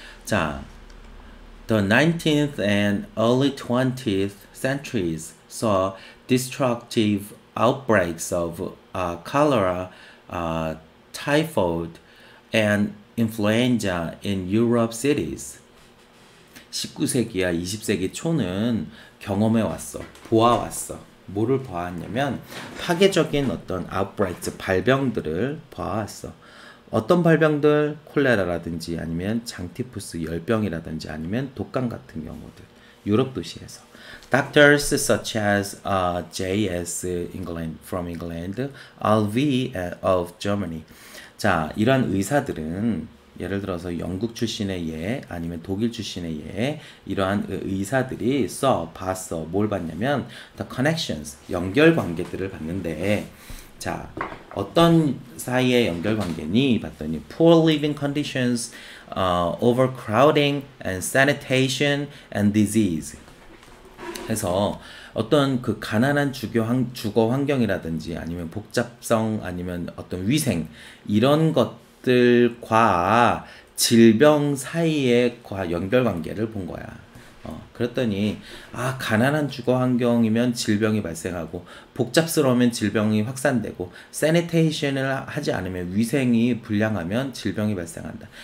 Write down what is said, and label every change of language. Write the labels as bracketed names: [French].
[English] 자, The 19th and early 20th centuries saw destructive outbreaks of cholera, typhoid, and influenza in Europe cities. [Korean] 19세기야, 20세기 초는 경험해왔어. 보아왔어. 뭐를 보았냐면, 파괴적인 어떤 outbreaks, 발병들을 보아왔어. 어떤 발병들? 콜레라라든지, 아니면 장티푸스 열병이라든지, 아니면 독감 같은 경우들. 유럽 도시에서. [English] Doctors such as J.S. England from England, R.V. of Germany. [Korean] 자, 이러한 의사들은 예를 들어서 영국 출신의 예, 아니면 독일 출신의 예, 이러한 의사들이 봤어. 뭘 봤냐면 the connections, 연결 관계들을 봤는데, 자, 어떤 사이의 연결 관계니? [English] 봤더니 poor living conditions, overcrowding and sanitation and disease. [Korean] 해서 어떤 그 가난한 주거 환경이라든지 아니면 복잡성 아니면 어떤 위생 이런 것들과 질병 사이의 연결 관계를 본 거야. 그랬더니 아 가난한 주거 환경이면 질병이 발생하고 복잡스러우면 질병이 확산되고 세니테이션을 하지 않으면 위생이 불량하면 질병이 발생한다.